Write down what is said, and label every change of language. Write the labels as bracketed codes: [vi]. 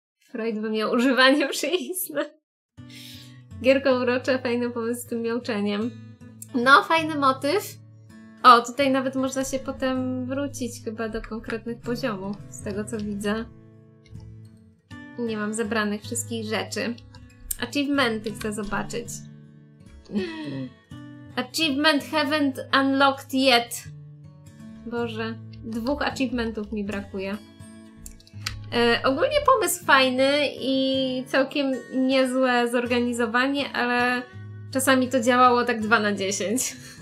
[pl] Freud by miał używanie przyjścia. Gierko urocze, fajny pomysł z tym miauczeniem. No, fajny motyw. O, tutaj nawet można się potem wrócić chyba do konkretnych poziomów, z tego co widzę. Nie mam zebranych wszystkich rzeczy. Achievementy chcę zobaczyć. [en] Achievement haven't unlocked yet. [pl] Boże, dwóch achievementów mi brakuje. Ogólnie pomysł fajny i całkiem niezłe zorganizowanie, ale Czasami to działało tak 2 na 10.